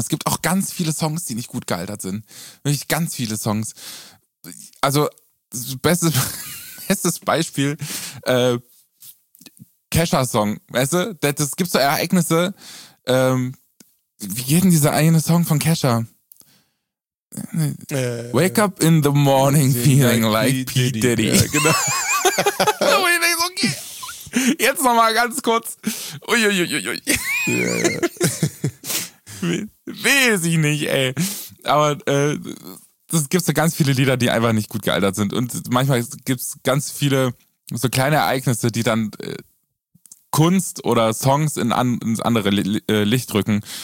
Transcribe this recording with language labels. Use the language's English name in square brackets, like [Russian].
[German] Es gibt auch ganz viele Songs, die nicht gut gealtert sind. Wirklich ganz viele Songs. Also, bestes Beispiel, Kesha-Song, weißt du? Das gibt so Ereignisse. Wie geht denn dieser eine Song von Kesha? [English] Wake up in the morning feeling like P. Diddy. [German] Ja, genau. Wo ich denke, okay, jetzt nochmal ganz kurz. Uiuiuiui. Weiß ich nicht, ey. Aber es gibt so ganz viele Lieder, die einfach nicht gut gealtert sind. Und manchmal gibt es ganz viele so kleine Ereignisse, die dann Kunst oder Songs ins andere Licht drücken.